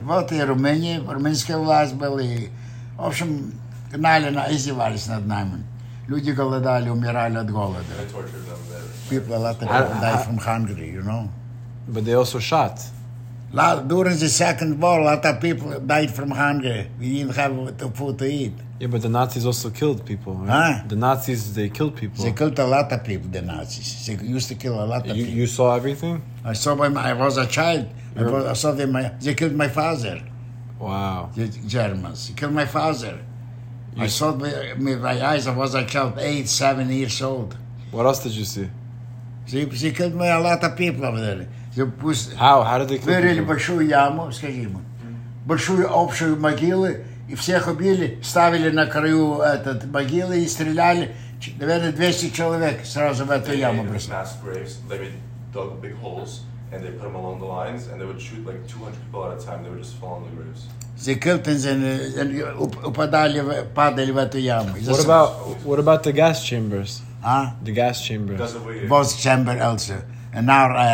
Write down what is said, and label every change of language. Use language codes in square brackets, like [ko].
[ru] Вот и Румыния, румынская власть была. В общем, гнали, издевались над нами. Люди голодали, умирали от голода. [en] People, a lot of people died from hungry, you know. But they also shot. During the Second War, a lot of people died from hunger. We didn't have the food to eat. Yeah, but the Nazis also killed people, right? Huh? The Nazis, they killed people. They killed a lot of people, the Nazis. They used to kill a lot of people. You saw everything? I saw them. I was a child. I saw them. They killed my father. Wow. The Germans. They killed my father. You I saw with my eyes. I was a child, 8, 7 years old. What else did you see? They killed a lot of people over there. How did they kill people? [ru] Вырыли большую яму, скажи ему. Большую общую могилу. И всех убили, ставили на краю этот могилы и стреляли. Наверное, 200 человек сразу в эту яму бросили. [en] Mass graves. They made dug big holes and they put them along the lines and they would shoot like 200 people at a time. They would just fall on the graves. They killed and [ru] падали в эту яму. [en] What about the gas chambers? Huh? The gas chambers. Both chamber also. And our